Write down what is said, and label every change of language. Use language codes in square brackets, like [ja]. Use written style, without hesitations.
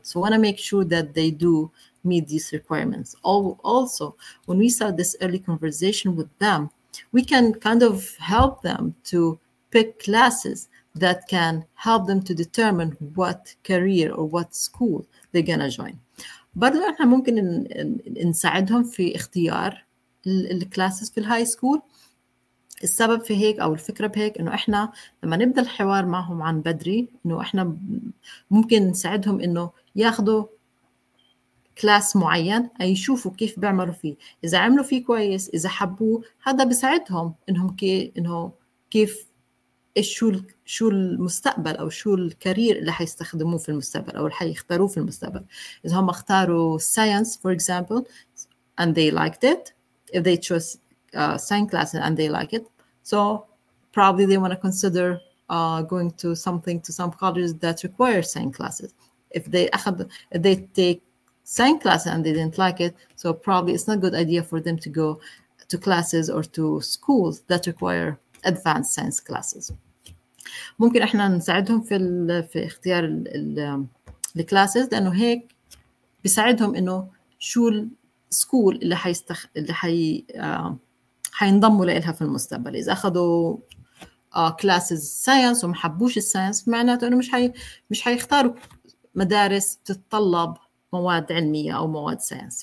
[en] So we want to make sure that they do meet these requirements. Also, when we start this early conversation with them, we can kind of help them to pick classes that can help them to determine what career or what school they're going to join. [ar] برضو احنا ممكن نساعدهم في اختيار الكلاسز في الهاي سكول. السبب في هيك او الفكره بهيك انه احنا لما نبدا الحوار معهم عن بدري انه احنا ممكن نساعدهم انه ياخذوا كلاس معين يشوفوا كيف بيعملوا فيه. اذا عملوا فيه كويس, اذا حبوه, هذا بيساعدهم انه كيف شو المستقبل أو شو الكارير اللي حيستخدموه في المستقبل أو اللي حيختاروه في المستقبل. إذا هم اختاروا [en] science for example and they liked it, if they chose science class and they like it, so probably they want to consider going to something, to some colleges that require science classes. If they take science class and they didn't like it, so probably it's not a good idea for them to go to classes or to schools that require advanced science classes. [ar] ممكن احنا نساعدهم في اختيار الكلاسز لانه هيك بيساعدهم انه شو السكول اللي حينضموا لها في المستقبل. اذا اخذوا كلاسز ساينس وما حبوش الساينس, معناته انه مش حيختاروا مدارس تتطلب مواد علميه او مواد ساينس.